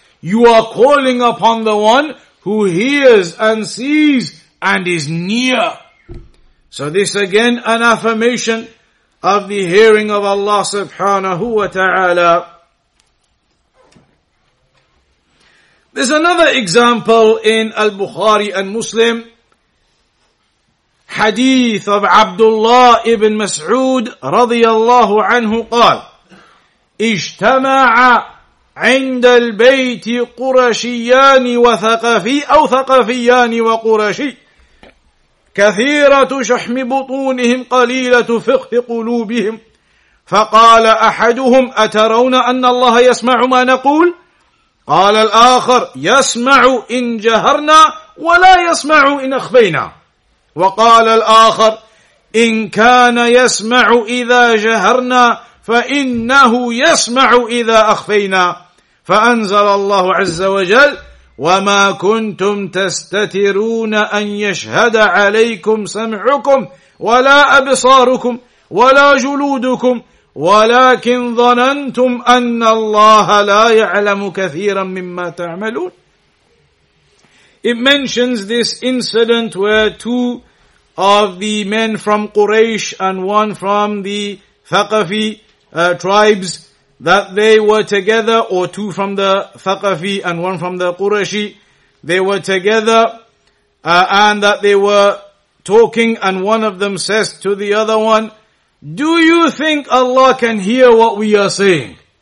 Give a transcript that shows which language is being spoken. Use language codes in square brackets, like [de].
[en] You are calling upon the one who hears and sees and is near. So this again an affirmation of the hearing of Allah subhanahu wa ta'ala. There's another example in Al-Bukhari and Muslim. Hadith of Abdullah ibn Mas'ud radiyallahu anhu qal, [ar] اجتمع عند البيت قرشيان وثقفي أو ثقفيان وقرشي كثيرة شحم بطونهم قليلة فقه قلوبهم فقال أحدهم أترون أن الله يسمع ما نقول قال الآخر يسمع إن جهرنا ولا يسمع إن أخفينا وقال الآخر إن كان يسمع إذا جهرنا فَإِنَّهُ يَسْمَعُ إِذَا أَخْفَيْنَا فَأَنزَلَ اللَّهُ عَزَّ وَجَلَّ وَمَا كُنْتُمْ تَسْتَتِرُونَ أَنْ يَشْهَدَ عَلَيْكُمْ سَمْعُكُمْ وَلَا أَبْصَارُكُمْ وَلَا جُلُودُكُمْ وَلَكِنْ ظَنَنْتُمْ أَنَّ اللَّهَ لَا يَعْلَمُ كَثِيرًا مِمَّا تَعْمَلُونَ. [en] It mentions this incident where two of the men from Quraysh and one from the Thaqafi tribes, that they were together, or two from the Thaqafi and one from the Qurayshi, they were together, and that they were talking, and one of them says to the other one, do you think Allah can hear what we are saying?